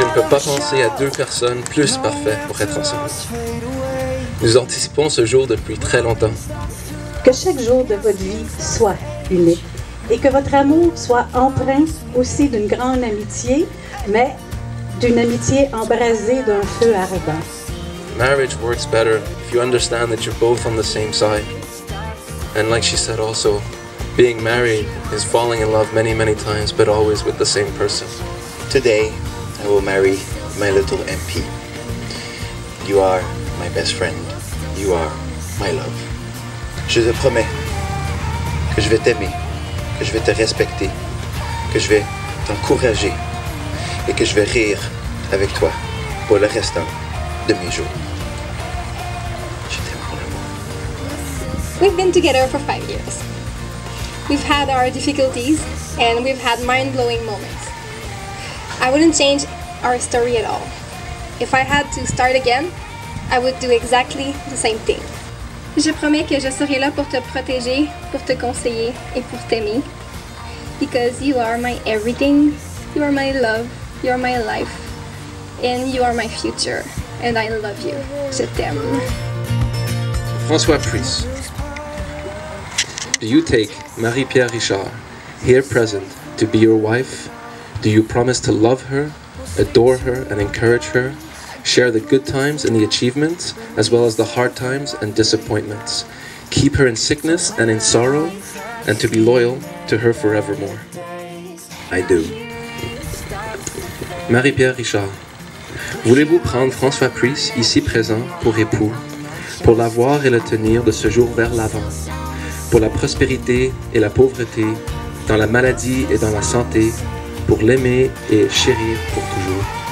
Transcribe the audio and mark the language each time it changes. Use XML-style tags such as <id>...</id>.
<fr>pas penser à deux personnes plus parfaites pour être ensemble. Nous anticipons ce jour depuis très longtemps. Que chaque jour de votre vie soit unique et que votre amour soit empreint aussi d'une grande amitié, mais d'une amitié embrasée d'un feu ardent.</fr> <en>Marriage works better if you understand that you're both on the same side. And like she said also, being married is falling in love many, many times, but always with the same person. Today, I will marry my little MP. You are my best friend. You are my love.</en> <fr>Je te promets que je vais t'aimer, que je vais te respecter, que je vais t'encourager et que je vais rire avec toi pour le restant de mes jours. Je t'aime pour l'amour.</fr> <en>We've been together for 5 years. We've had our difficulties and we've had mind-blowing moments. I wouldn't change our story at all. If I had to start again, I would do exactly the same thing.</en> <fr>Je promets que je serai là pour te protéger, pour te conseiller et pour t'aimer.</fr> <en>Because you are my everything, you are my love, you are my life, and you are my future. And I love you.</en> <fr>Je t'aime.</fr> <en>François Pris, do you take Marie-Pierre Richard here present to be your wife? Do you promise to love her, adore her and encourage her, share the good times and the achievements, as well as the hard times and disappointments, keep her in sickness and in sorrow, and to be loyal to her forevermore? I do.</en> <fr>Marie-Pierre Richard, voulez-vous prendre François Pris, ici présent, pour époux, pour l'avoir et le tenir de ce jour vers l'avant, pour la prospérité et la pauvreté, dans la maladie et dans la santé, pour l'aimer et chérir pour toujours?</fr>